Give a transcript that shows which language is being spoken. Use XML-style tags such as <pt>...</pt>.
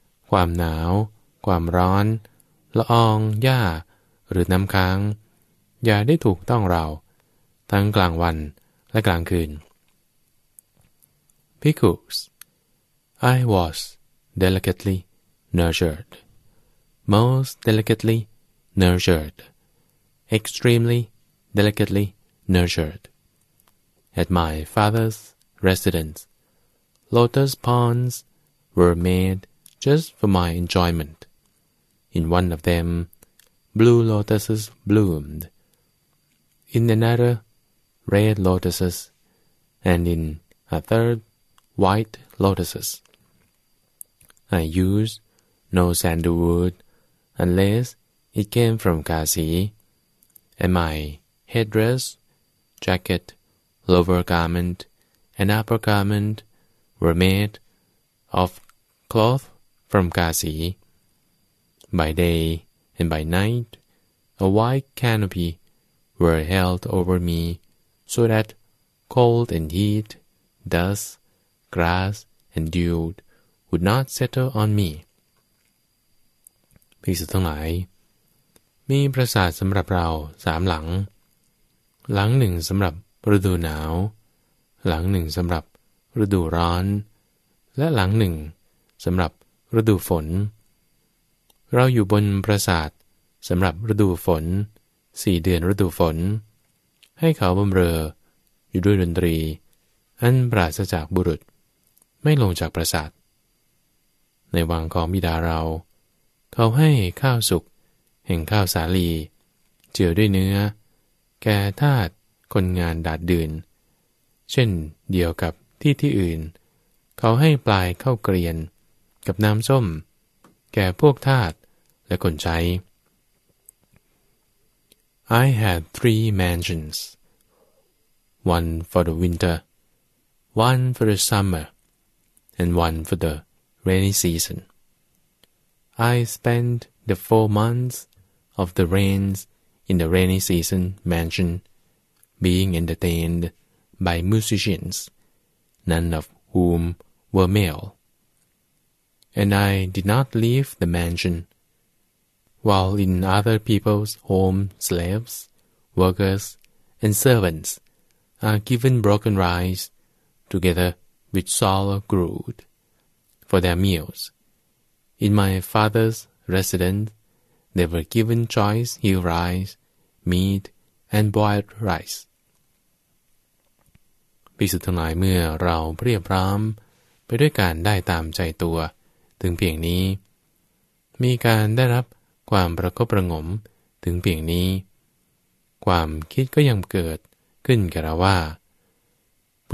<th>ความหนาวความร้อนละอองหญ้าหรือน้ำค้างอย่าได้ถูกต้องเราทั้งกลางวันและกลางคืน</th> <en>Bhikkhus, I was delicately nurtured, most delicately nurtured, extremely delicately nurtured, at my father's residence. Lotus ponds were made just for my enjoyment. In one of them, blue lotuses bloomed. In another, red lotuses, and in a third, white lotuses. I used no sandalwood unless it came from Kasi, and my headdress, jacket, lower garment, and upper garment were made of cloth from Kasi. By day and by night, a white canopyWere held over me, so that cold and heat, dust, grass, and dew would not settle on me.</en> <th>ภิกษุทั้งหลายมีปราสาทสำหรับเราสามหลังหลังหนึ่งสำหรับฤดูหนาวหลังหนึ่งสำหรับฤดูร้อนและหลังหนึ่งสำหรับฤดูฝน เราอยู่บนปราสาทสำหรับฤดูฝนสี่เดือนฤดูฝนให้เขาบำเรออยู่ด้วยดนตรีอันปราศจากบุรุษไม่ลงจากปราสาท ในวังของบิดาเราเขาให้ข้าวสุกแห่งข้าวสาลีเจือด้วยเนื้อแก่ทาสคนงานดาดดื่น เช่นเดียวกับที่ที่อื่นเขาให้ปลายข้าวเกรียนกับน้ำส้มแก่พวกทาสและคนใช้</th> <en>I had three mansions, one for the winter, one for the summer, and one for the rainy season. I spent the 4 months of the rains in the rainy season mansion, being entertained by musicians, none of whom were male. And I did not leave the mansion. While in other people's home, slaves, workers, and servants are given broken rice together with sour gruel for their meals. In my father's residence, they were given choice hill rice, meat, and boiled rice.</en> <th>ภิกษุทั้งหลายเมื่อเราเพียรพร้อมไปด้วยการได้ตามใจตัวถึงเพียงนี้มีการได้รับความประคบประงมถึงเพียงนี้ความคิดก็ยังเกิดขึ้นแก่เราว่าบุ</th>